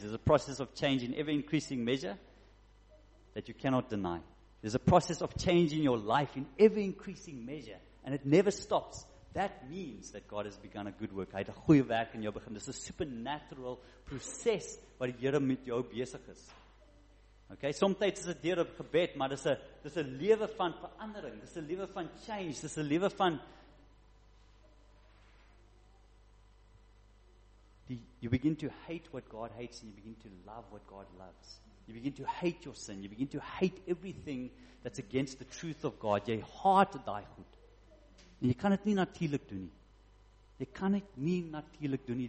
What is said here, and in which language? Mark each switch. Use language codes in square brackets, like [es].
[en] There's a process of change in ever increasing measure that you cannot deny. There's a process of change in your life in ever increasing measure and it never stops. That means that God has begun a good work. [af] Hy het 'n goeie werk in jou begin. Dis 'n supernatural proses wat die Here met jou besig is. Okay, soms is dit deur op gebed, maar dis 'n lewe van verandering. Dis 'n lewe van [en] change. Dis 'n lewe van you begin to hate what God hates and you begin to love what God loves. You begin to hate your sin. You begin to hate everything that's against the truth of God. [af] Jy haat daai goed. En jy kan dit nie natuurlik doen nie. Jy kan dit nie natuurlik doen nie.